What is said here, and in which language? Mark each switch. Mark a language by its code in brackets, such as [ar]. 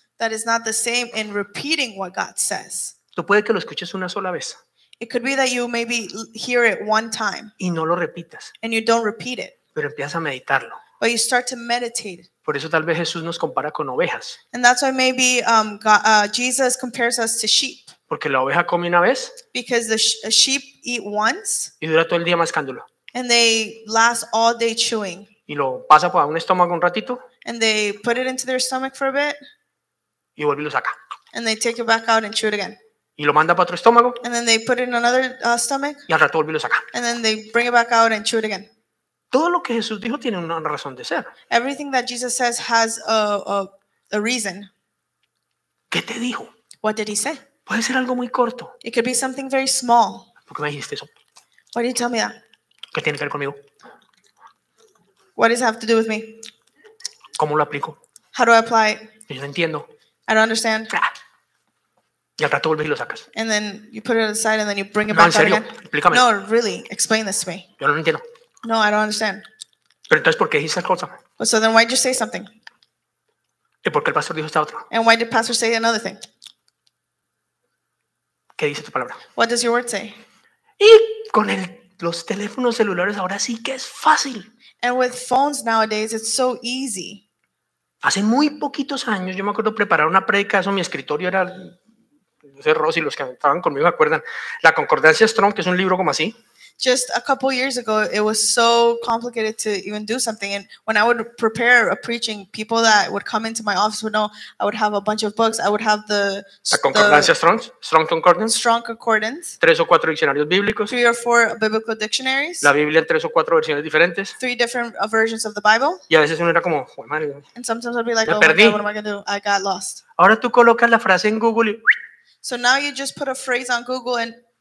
[en] That is not the same in repeating what God says. [es] Tú puede que lo escuches una sola vez. [en] It could be that you maybe hear it one time. [es] Y no lo repitas. [en] And you don't repeat it. [es] Pero empiezas a meditarlo. [en] But you start to meditate. [es] Por eso tal vez Jesús nos compara con ovejas. [en] And that's why maybe Jesus compares us to sheep. [es] Porque la oveja come una vez. [en] Because the sheep eat once. [es] Y dura todo el día mascándolo. [en] And they last all day chewing. [es] Y lo pasa por un estómago un ratito. [en] And they put it into their stomach for a bit. [es] Y vuelve y lo saca. [en] And they take it back out and chew it again. [es] Y lo manda para otro estómago. [en] And then they put it in another stomach. [es] Y al rato vuelve y lo saca. [en] And then they bring it back out and chew it again. [es] Todo lo que Jesús dijo tiene una razón de ser. [en] Everything that Jesus says has a reason. [es] ¿Qué te dijo? [en] What did he say? [es] Puede ser algo muy corto. [en] It could be something very small. [es] ¿Por qué me dijiste eso? [en] Why did you tell me that? [es] ¿Qué tiene que ver conmigo? [en] What does it have to do with me? [es] ¿Cómo lo aplico? [en] How do I apply it? [es] Yo no entiendo. [en] I don't understand. [es] Y al rato vuelves y lo sacas. [en] And then you put it aside and then you bring it [es] no, [en] back [es] en serio, [en] out again. [es] Explícame. [en] No, really, explain this to me. [es] Yo no lo entiendo. [en] No, I don't understand. [es] Pero entonces, ¿por qué dijiste esa cosa? [en] So then why did you say something? [es] ¿Y por qué el pastor dijo esta otra? [en] And why did pastor say another thing? [es] ¿Qué dice tu palabra? [en] What does your word say? [es] Y con el los teléfonos celulares ahora sí que es fácil. [en] And with phones nowadays, it's so easy. [es] Hace muy poquitos años, yo me acuerdo preparar una predica, eso mi escritorio era no sé, Rosy, los que estaban conmigo acuerdan, La Concordancia Strong, que es un libro como así. [en] Just a couple years ago, it was so complicated to even do something. And when I would prepare a preaching, people that would come into my office would know I would have a bunch of books. I would have the Concordancia Strong, Strong Concordance. Strong Concordance. [es] Tres o cuatro diccionarios bíblicos. [en] Three or four biblical dictionaries. [es] La Biblia en tres o cuatro versiones diferentes. [en] Three different versions of the Bible. [es] Y a veces uno era como, madre. [en] And sometimes I'd be like, [es] oh, perdí. [en] My God, what am I going to do? I got lost. [es] Ahora tú colocas la frase en Google y... [en] So now you just put a phrase on Google and...